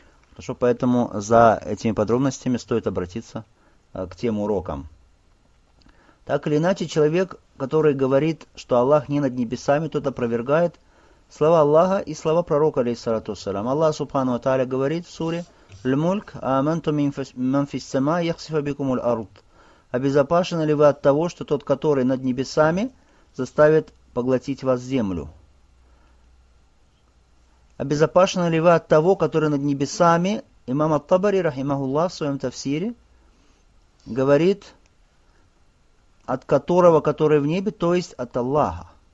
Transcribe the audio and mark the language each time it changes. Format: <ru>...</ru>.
<ru>Хорошо, поэтому за этими подробностями стоит обратиться к тем урокам. Так или иначе, человек, который говорит, что Аллах не над небесами, тот опровергает слова Аллаха и слова пророка, алейхиссалату вассалям. Аллах, субхану ва тааля, говорит в суре</ru> <ar>الملك آمنتم من في السماء يخسف بكم الأرض.</ar> <ru>Обезопасены ли вы от того, что тот, который над небесами, заставит поглотить вас землю? Обезопасены ли вы от того, который над небесами? Имам ат-Табари, рахимахуллах, в своем тафсире говорит, от которого, который в небе, то есть от Аллаха.</ru>